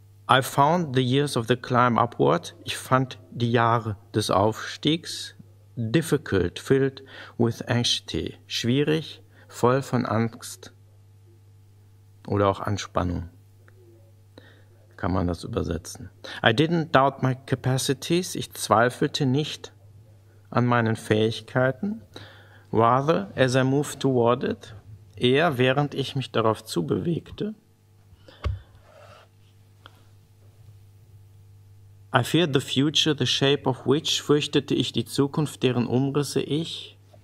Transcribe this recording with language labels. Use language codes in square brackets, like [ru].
[en] I found the years of the climb upward. [de] Ich fand die Jahre des Aufstiegs [en] difficult, filled with anxiety, [de] schwierig, voll von Angst oder auch Anspannung. Kann man das übersetzen? [en] I didn't doubt my capacities. [de] Ich zweifelte nicht an meinen Fähigkeiten. [en] Rather, as I moved toward it, [de] eher während ich mich darauf zubewegte. [en] I feared the future, the shape of which, [de] fürchtete ich die Zukunft, deren Umrisse ich.